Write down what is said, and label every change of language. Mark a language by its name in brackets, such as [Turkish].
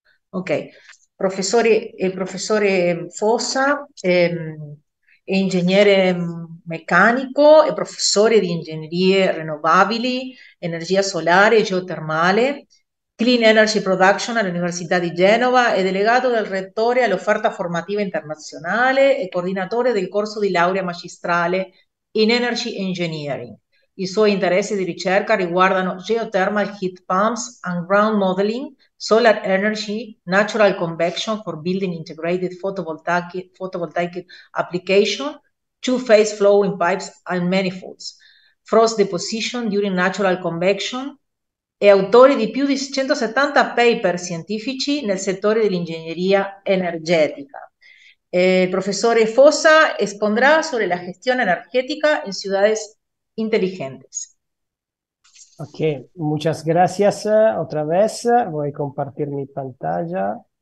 [Italian] Ok, professore Fossa è ingegnere meccanico, è professore di ingegnerie rinnovabili, energia solare e geotermale. Clean Energy Production all'Università di Genova, è delegato del Rettore all'Offerta Formativa Internazionale e coordinatore del corso di laurea magistrale in Energy Engineering. I suoi interessi di ricerca riguardano [English] Geothermal Heat Pumps and Ground Modeling, Solar Energy, Natural Convection for Building Integrated Photovoltaic Application, Two-Phase Flowing Pipes and Manifolds, Frost Deposition During Natural Convection. [Italian] È autore di più di 170 paper scientifici nel settore dell'ingegneria energetica. Il professore Fossa esponderà sulla gestione energetica in [Spanish] ciudades inteligentes. Ok, muchas gracias otra vez. Voy a compartir mi pantalla.